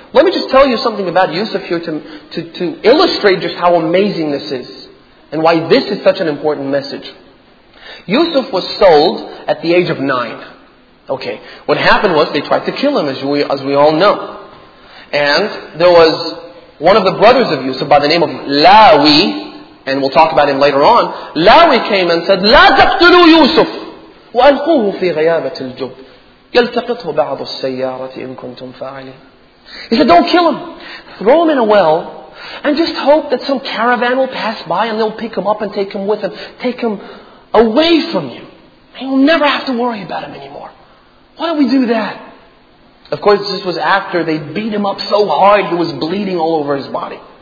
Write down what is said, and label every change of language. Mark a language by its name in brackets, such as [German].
[English] Let me just tell you something about Yusuf here to illustrate just how amazing this is and why this is such an important message. Yusuf was sold at the age of 9. Okay, what happened was they tried to kill him, as we all know. And there was one of the brothers of Yusuf by the name of Lawi, and we'll talk about him later on. Lawi came and said, [Arabic] لَا تَقْتُلُوا يُوسُفْ وَأَلْقُوهُ فِي غَيَابَةِ الْجُبْ يَلْتَقِطْهُ بَعْضُ السَّيَّارَةِ إِن كُنْتُمْ فَاعِلِينَ. [English] He said, don't kill him. Throw him in a well and just hope that some caravan will pass by and they'll pick him up and take him with them. Take him away from you. He'll never have to worry about him anymore. Why don't we do that? Of course, this was after they beat him up so hard he was bleeding all over his body.